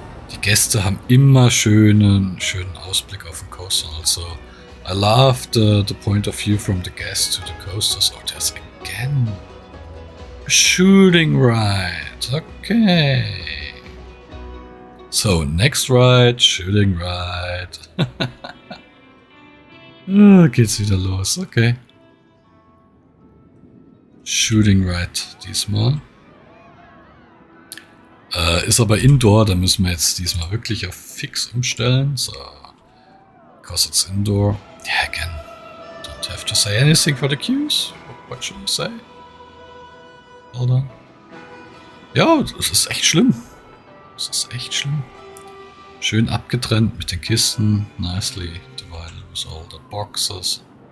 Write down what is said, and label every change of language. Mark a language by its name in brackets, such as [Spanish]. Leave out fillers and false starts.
[German] Die Gäste haben immer schönen Ausblick auf den Coaster also. [English] I love the point of view from the guest to the coasters. Oh, there's again a shooting ride. Okay. So, next ride, shooting ride. [German] Oh, geht's wieder los. Okay. Shooting ride diesmal. Ist aber indoor, da müssen wir jetzt diesmal wirklich auf fix umstellen. [English] So, because it's indoor. Yeah, again, don't have to say anything for the cues. What should I say? Hold on. [German] Ja, das ist echt schlimm. Das ist echt schlimm. Schön abgetrennt mit den Kisten. [English] Nicely divided with all the boxes.